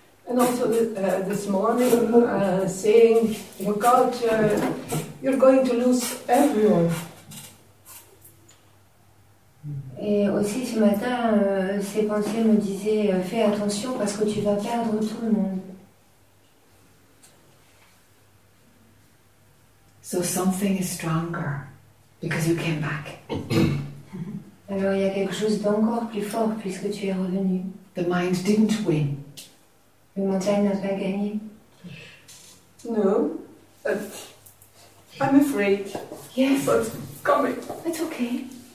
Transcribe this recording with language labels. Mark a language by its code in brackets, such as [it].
[en] And also this morning saying look out you're going to lose everyone. [fr] Et aussi ce matin, ces pensées me disaient, fais attention parce que tu vas perdre tout le monde. [en] So something is stronger because you came back. [fr] Alors il y a quelque chose d'encore plus fort puisque tu es revenu. [en] The mind didn't win. [fr] Le mental n'a pas gagné. [en] No. I'm afraid. Yes. But coming. It's okay.